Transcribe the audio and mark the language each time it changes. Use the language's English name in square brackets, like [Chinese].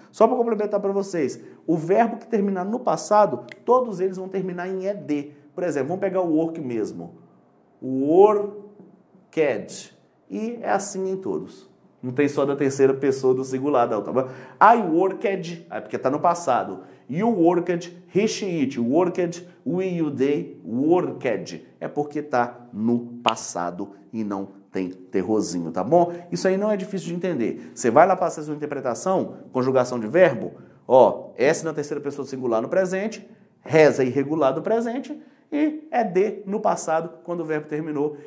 [Portuguese] Só para complementar para vocês, o verbo que terminar no passado, todos eles vão terminar em ed. Por exemplo, vamos pegar o work mesmo. Worked. E é assim em todos. Não tem só da terceira pessoa do singular, não. [English] I worked, [Portuguese] porque está no passado. [English] You worked, he, she, it, worked, we, you, they, worked. [Portuguese] É porque está no passado e não tem terrorzinho, tá bom? Isso aí não é difícil de entender. Você vai lá para fazer sua interpretação, conjugação de verbo, ó, S na terceira pessoa do singular no presente, has é irregular do presente e é D no passado quando o verbo terminou.